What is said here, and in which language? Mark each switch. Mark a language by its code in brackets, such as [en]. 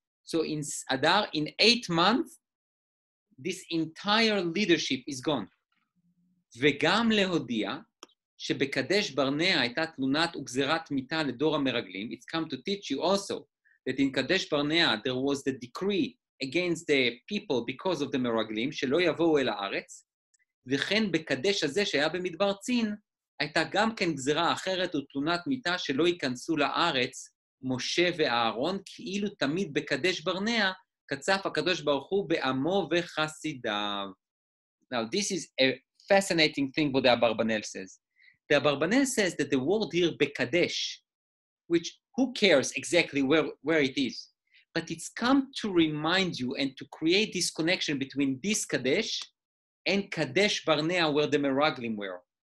[en] So in Adar, in 8 months, this entire leadership is gone. [he] וגם להודיע שבקדש ברנע הייתה תלונת וגזירת מיטה לדור המרגלים. [en] It's come to teach you also that in קדש ברנע there was the decree against the people because of the [he] מרגלים שלא יבואו אל הארץ. וכן בקדש הזה שהיה במדבר צין הייתה גם כן גזירה אחרת ותלונת מיטה שלא ייכנסו לארץ משה ואהרון, כאילו תמיד בקדש ברנע קצף הקדוש ברוך הוא בעמו וחסידיו. [en] Now this is a fascinating thing what the Abarbanel says. The Abarbanel says that the word here, Bekadesh, which who cares exactly where it is, but it's come to remind you and to create this connection between this Kadesh and Kadesh Barnea, where the Meraglim were.